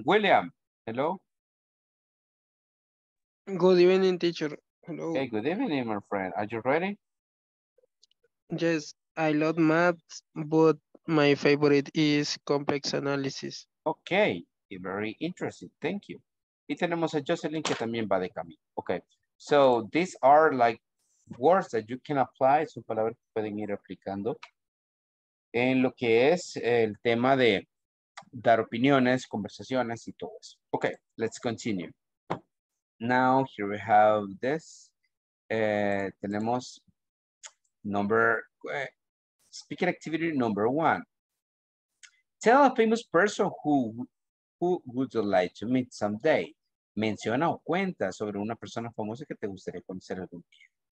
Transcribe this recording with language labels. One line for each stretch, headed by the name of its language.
English: William, hello. Good evening, teacher. Hello. Hey, good evening, my friend. Are you ready? Yes, I love math, but my favorite is complex analysis. Okay, very interesting. Thank you.
Spanish: Y tenemos a Jocelyn que también va de camino.
English: Okay, so these are like words that you can apply.
Spanish: Son palabras que pueden ir aplicando en lo que es el tema de dar opiniones, conversaciones y todo eso.
English: Okay, let's continue. Now here we have this. Tenemos number, speaking activity number one. Tell a famous person who would you like to meet someday.
Spanish: Menciona o cuenta sobre una persona famosa que te gustaría conocer algún día.